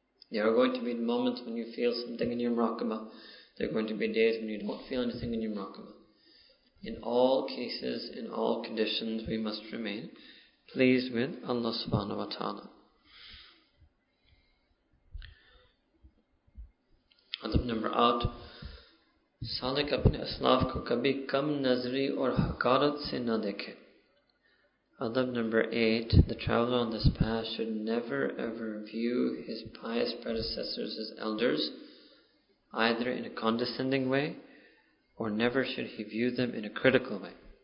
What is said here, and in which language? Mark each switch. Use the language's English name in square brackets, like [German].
[English] There are going to be moments when you feel something in your muraqabah. There are going to be days when you don't feel anything in your muraqabah. In all cases, in all conditions, we must remain pleased with Allah Subhanahu Wa Ta'ala. Adab number 8. [Urdu] سالک اپنے اسلاف کو کبھی کم نظری اور حقارت سے نہ دیکھے۔ [English] Adab number 8, the traveler on this path should never ever view his pious predecessors as elders, either in a condescending way, or never should he view them in a critical way.